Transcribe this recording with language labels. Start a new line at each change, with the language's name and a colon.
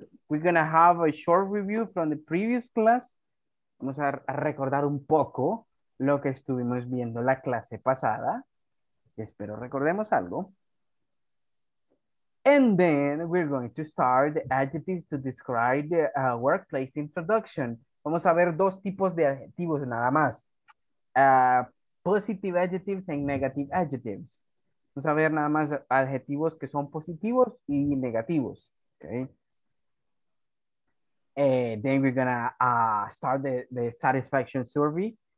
English: We're going to have a short review from the previous class.
Spanish: Vamos a recordar un poco lo que estuvimos viendo la clase pasada. Espero recordemos algo.
English: And then we're going to start the adjectives to describe the workplace introduction.
Spanish: Vamos a ver dos tipos de adjetivos nada más.
English: Positive adjectives and negative adjectives.
Spanish: Vamos a ver nada más adjetivos que son positivos y negativos. Okay.
English: And then we're gonna start the satisfaction survey.